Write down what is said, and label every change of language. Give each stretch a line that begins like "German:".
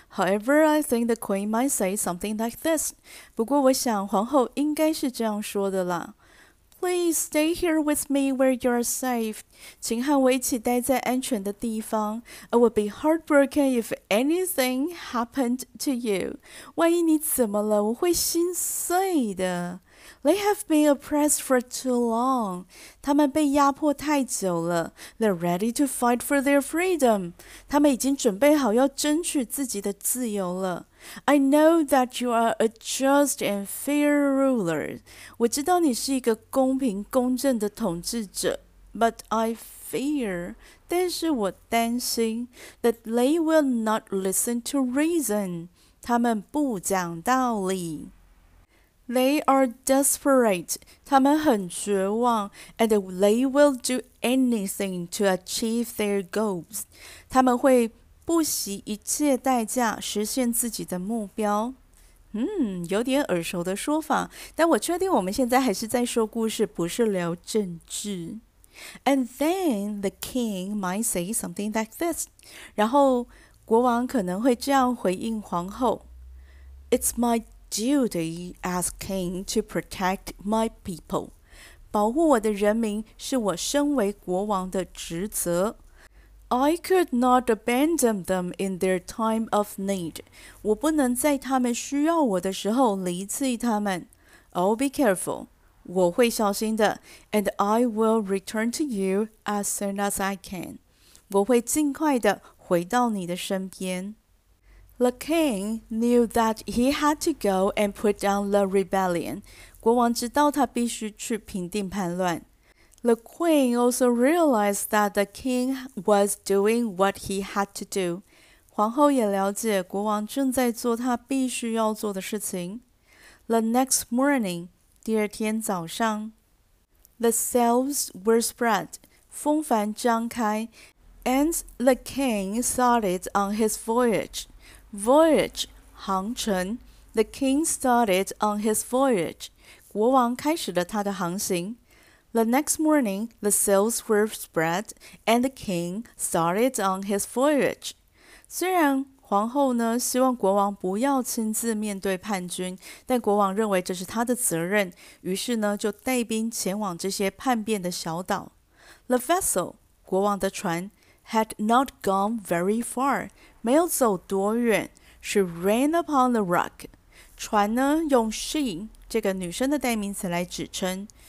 English: However, I think the queen might say something like this.
Chinese: 不过我想皇后应该是这样说的啦。
English: Please stay here with me where you're safe.
Chinese: 请和我一起待在安全的地方。
English: I would be heartbroken if anything happened to you.
Chinese: 万一你怎么了，我会心碎的。
English: They have been oppressed for too long.
Chinese: 他们被压迫太久了。
English: They're ready to fight for their freedom.
Chinese: 他们已经准备好要争取自己的自由了。
English: I know that you are a just and fair ruler.
Chinese: 我知道你是一个公平公正的统治者。
English: But I fear,
Chinese: 但是我担心,
English: that they will not listen to reason.
Chinese: 他们不讲道理。
English: They are desperate,
Chinese: 他们很绝望
English: and they will do anything to achieve their goals.
Chinese: 他们会不惜一切代价实现自己的目标。有点耳熟的说法，但我确定我们现在还是在说故事，不是聊政治。
English: And then the king might say something like this.
Chinese: 然后国王可能会这样回应皇后。
English: It's my duty as king to protect my people.
Chinese: 保护我的人民是我身为国王的职责。
English: I could not abandon them in their time of need.
Chinese: 我不能在他们需要我的时候离弃他们。
English: Oh, be careful.
Chinese: 我会小心的。
English: And I will return to you as soon as I can.
Chinese: 我会尽快的回到你的身边。
English: The king knew that he had to go and put down the rebellion.
Chinese: 国王知道他必须去平定叛乱。
English: The queen also realized that the king was doing what he had to do.
Chinese: 皇后也了解国王正在做他必须要做的事情。
English: The next morning,
Chinese: 第二天早上,
English: the sails were spread,
Chinese: 风帆张开,
English: and the king started on his voyage. Voyage, 航程 The king started on his voyage.
Chinese: 国王开始了他的航行。
English: The next morning, the sails were spread, and the king started on his voyage.
Chinese: 虽然皇后呢希望国王不要亲自面对叛军，但国王认为这是他的责任，于是呢就带兵前往这些叛变的小岛。
English: The vessel,
Chinese: 国王的船
English: had not gone very far,
Chinese: 没有走多远。
English: She ran upon the rock.
Chinese: 船呢用 she 这个女生的代名词来指称。